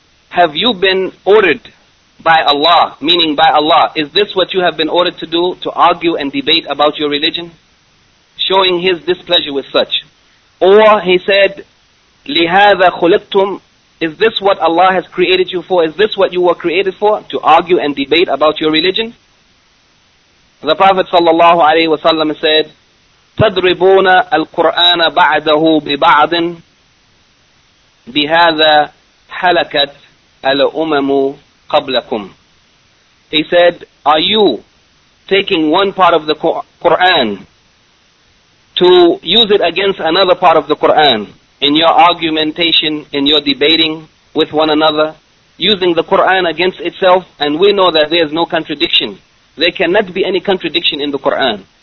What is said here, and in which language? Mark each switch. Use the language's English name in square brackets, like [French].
[English] Have you been ordered by Allah, meaning by Allah, is this what you have been ordered to do, to argue and debate about your religion? Showing his displeasure with such. Or he said, [Arabic] لِهَذَا خُلِقْتُمْ. [English] Is this what Allah has created you for? Is this what you were created for? To argue and debate about your religion? The Prophet sallallahu alayhi wa sallam said, [Arabic] تَضْرِبُونَ الْقُرْآنَ بَعْدَهُ بِبَعْضٍ بِهَذَا حَلَكَتْ الْأُمَمُ قَبْلَكُمْ. [English] He said, are you taking one part of the Qur'an to use it against another part of the Qur'an in your argumentation, in your debating with one another, using the Qur'an against itself? And we know that there is no contradiction. There cannot be any contradiction in the Qur'an.